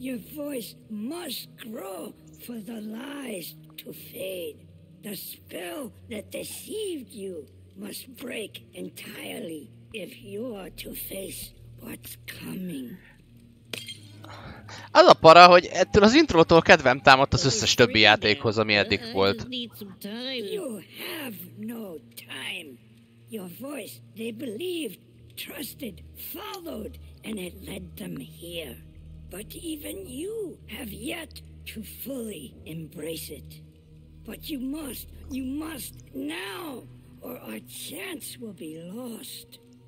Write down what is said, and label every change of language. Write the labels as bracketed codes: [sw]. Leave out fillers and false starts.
[en] Your voice must grow for the lies to fade. The spell that deceived you must break entirely if you are to face what's coming. [hu] Az a para, hogy ettől az introtól kedvem támadt az összes többi játékhoz, ami eddig volt. [en] You have no time. Your voice, they believed, trusted, followed. And it led them here. But even you have yet to fully embrace it. But you must now, or our chance will be lost.